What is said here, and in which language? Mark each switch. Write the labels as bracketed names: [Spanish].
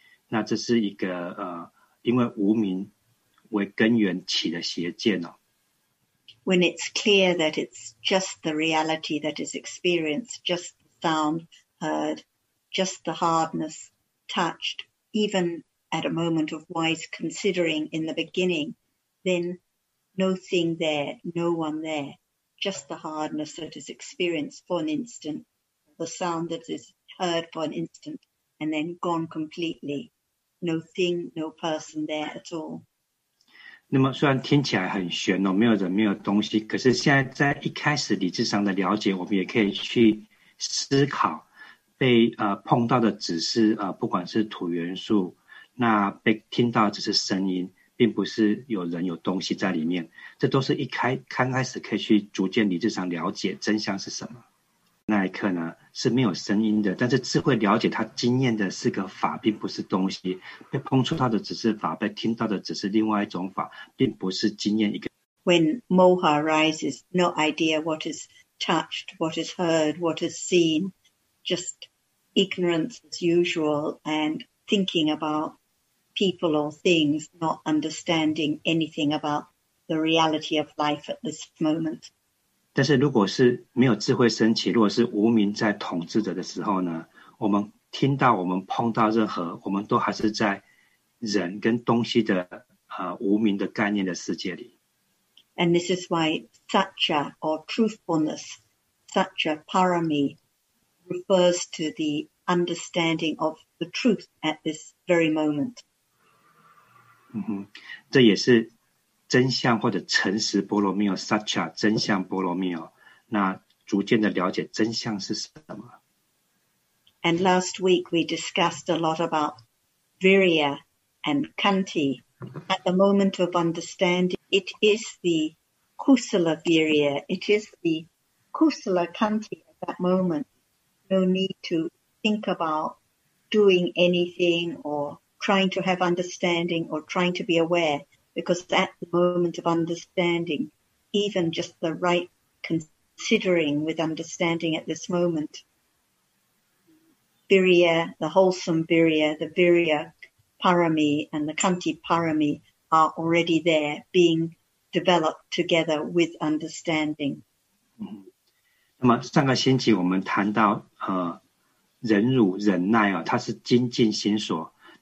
[Chinese] 那这是一个、因为无明为根源起的邪见哦。 [English] When it's clear that it's just the reality that is experienced, just the sound heard, just the hardness touched, even at a moment of wise considering in the beginning, then no thing there, no one there, just the hardness that is experienced for an instant, the sound that is heard for an instant, and then gone completely, no thing, no person there at all. [Chinese] 那么虽然听起来很玄哦，没有人没有东西，可是现在在一开始理智上的了解，我们也可以去思考被碰到的只是不管是土元素，那被听到只是声音，并不是有人有东西在里面，这都是刚开始可以去逐渐理智上了解真相是什么。那一刻呢是没有声音的，但是智慧了解他经验的是个法，并不是东西。被碰触到的只是法，被听到的只是另外一种法，并不是经验一个。 [English] When moha arises, no idea what is touched, what is heard, what is seen, just ignorance as usual and thinking about people or things, not understanding anything about the reality of life at this moment. [Chinese] 但是如果是没有智慧升起，如果是无明在统治着的时候呢，我们听到我们碰到任何我们都还是在人跟东西的无明的概念的世界里。 [English] And this is why satya or truthfulness, satya parami refers to the understanding of the truth at this very moment. [Chinese] 这也是真相或者诚实波罗蜜哦 ，Satya 真相波罗蜜哦，那逐渐的了解真相是什么。 [English] And last week we discussed a lot about Virya and Kanti. At the moment of understanding, it is the Kusala Virya, it is the Kusala Kanti at that moment. No need to think about doing anything or trying to have understanding or trying to be aware, because at the moment of understanding, even just the right considering with understanding at this moment, Virya, the wholesome Virya, the Virya Parami and the Kanti Parami are already there being developed together with understanding. [Chinese] 那么上个星期我们谈到忍辱忍耐它是精进心所。